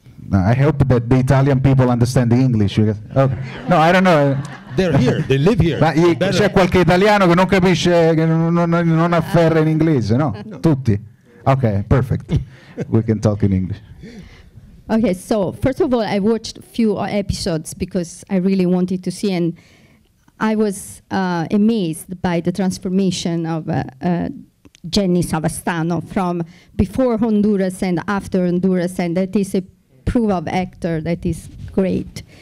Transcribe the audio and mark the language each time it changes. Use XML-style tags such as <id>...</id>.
<en>No, I hope that the Italian people understand the English. Okay. No, I don't know. They're here. They live here.</en> <it>Ma c'è qualche italiano che non capisce che non afferra in inglese, no?</it> <en>Tutti. Okay, perfect. We can talk in English. Okay, so first of all, I watched a few episodes because I really wanted to see, and I was amazed by the transformation of Jenny Savastano from before Honduras and after Honduras, and that is a proof of actor that is great.</en>